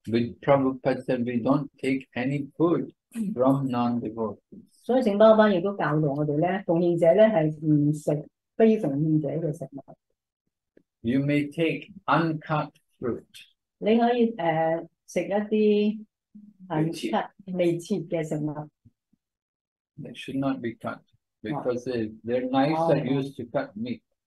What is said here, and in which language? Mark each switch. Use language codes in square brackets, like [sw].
[en] With Prabhupada said, we don't take any food from non-devotees. [zh] 所以聖巴巴也都教導我們呢,奉獻者呢,是不吃非奉獻者的食物。 [en] You may take uncut fruit. [zh] 你可以食一些未切的食物。 [en] They should not be cut because their knives are used to cut meat.